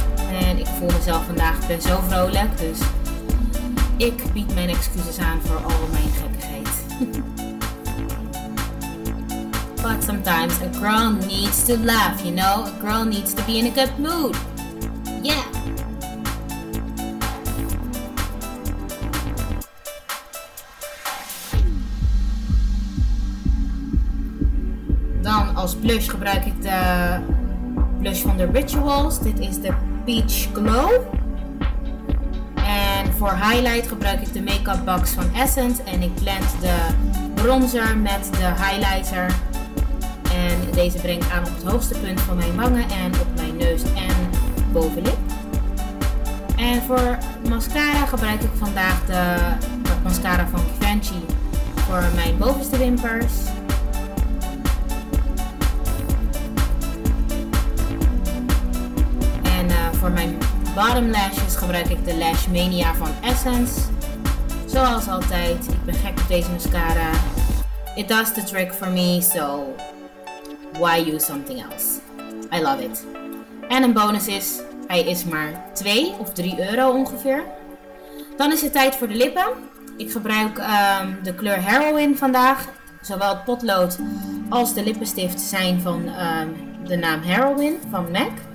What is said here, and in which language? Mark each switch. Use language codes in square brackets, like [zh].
[nl] En ik voel mezelf vandaag best zo vrolijk, dus ik bied mijn excuses aan voor al mijn gekkigheid. [en] But sometimes a girl needs to laugh, you know? A girl needs to be in a good mood. Yeah! [nl] Als blush gebruik ik de blush van The Rituals. Dit is de Peach Glow. En voor highlight gebruik ik de Makeup Box van Essence. En ik blend de bronzer met de highlighter. En deze breng ik aan op het hoogste punt van mijn wangen en op mijn neus en bovenlip. En voor mascara gebruik ik vandaag de mascara van Givenchy voor mijn bovenste wimpers. Voor mijn [en] bottom lashes [nl] gebruik ik de Lash Mania van Essence. Zoals altijd, ik ben gek op deze mascara. [en] It does the trick for me, so why use something else? I love it. [nl] En een bonus is, hij is maar 2 of 3 euro ongeveer. Dan is het tijd voor de lippen. Ik gebruik de kleur Heroin vandaag. Zowel het potlood als de lippenstift zijn van de naam Heroin van MAC.